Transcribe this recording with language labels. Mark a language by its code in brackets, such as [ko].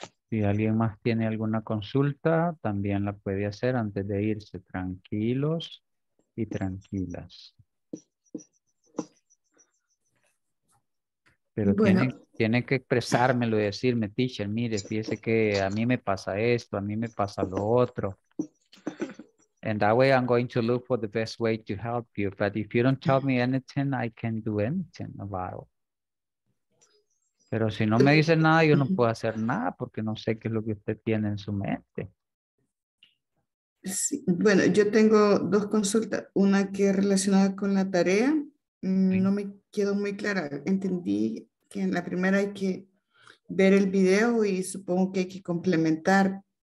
[es] Si alguien más tiene alguna consulta, también la puede hacer antes de irse. Tranquilos y tranquilas. Pero bueno, tiene que expresármelo y decirme, teacher, mire, fíjese que a mí me pasa esto, a mí me pasa lo otro. [en] And that way I'm going to look for the best way to help you. But if you don't tell me anything, I can't do anything about it. [es] Pero si no me dice nada, yo no puedo hacer nada porque no sé qué es lo que usted tiene en su mente. Sí. Bueno, yo tengo dos consultas. Una que es relacionada con la tarea. Sí. No me quedó muy clara. Entendí que en la primera hay que ver el video y supongo que hay que complementar.